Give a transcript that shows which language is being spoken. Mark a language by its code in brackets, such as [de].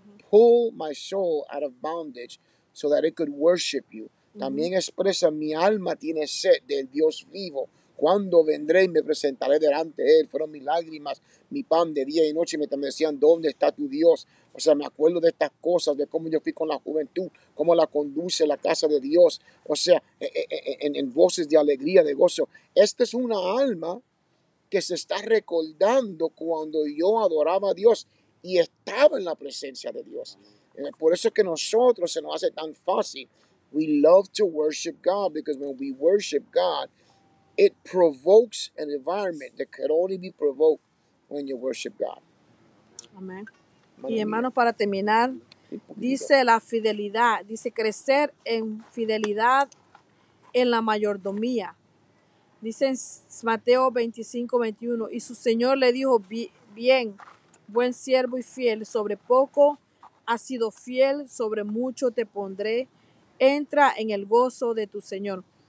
[en] Pull my soul out of bondage so that it could worship you. [es] También expresa, mi alma tiene sed del Dios vivo. Cuando vendré y me presentaré delante de él, fueron mis lágrimas, mi pan de día y noche, mientras me decían, ¿dónde está tu Dios? O sea, me acuerdo de estas cosas, de cómo yo fui con la juventud, cómo la conduce la casa de Dios. O sea, en voces de alegría, de gozo. Esta es una alma que se está recordando cuando yo adoraba a Dios y estaba en la presencia de Dios. Por eso es que a nosotros se nos hace tan fácil. [en] We love to worship God, because when we worship God, it provokes an environment that could only be provoked when you worship God. [es] Amén. Y hermanos, para terminar, dice la fidelidad, dice crecer en fidelidad en la mayordomía. Dice en Mateo 25, 21, y su Señor le dijo, bien, buen siervo y fiel, sobre poco has sido fiel, sobre mucho te pondré, entra en el gozo de tu Señor.